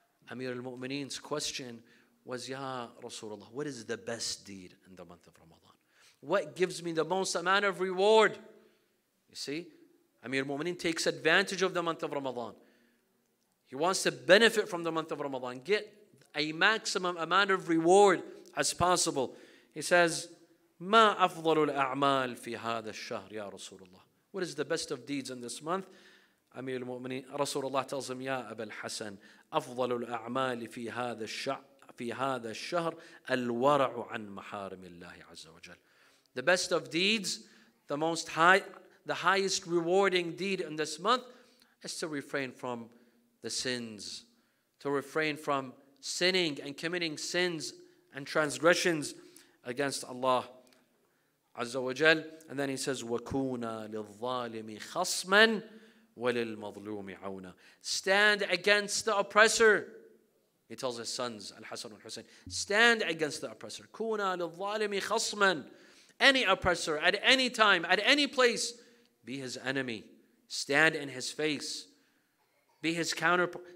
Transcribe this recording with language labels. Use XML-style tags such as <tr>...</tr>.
<en>Amir al-Mu'mineen's question was, Ya Rasulullah, what is the best deed in the month of Ramadan? What gives me the most amount of reward? You see, Amir al-Mu'mineen takes advantage of the month of Ramadan. He wants to benefit from the month of Ramadan, get a maximum amount of reward as possible. He says,</en> <ar>ما أفضل الأعمال في هذا الشهر يا رسول الله.</ar> <en>What is the best of deeds in this month?</en> <ar>أمير المؤمنين رسول الله</ar> <en>tells him,</en> <ar>يا أبا الحسن أفضل الأعمال في هذا الشهر الورع عن محارم الله عز وجل.</ar> <en>The best of deeds, the highest rewarding deed in this month is to refrain from the sins, to refrain from sinning and committing sins and transgressions against Allah Azza wa Jal. And then he says,</en> <ar>وَكُونَا لِلظَّالِمِ خَصْمًا وَلِلْمَظْلُومِ عَوْنًا.</ar> <en>Stand against the oppressor. He tells his sons, Al-Hasan al-Husayn, stand against the oppressor.</en> <ar>كُونَا لِلظَّالِمِ خَصْمًا.</ar> <en>Any oppressor, at any time, at any place, be his enemy. Stand in his face. Be his counterpart.</en>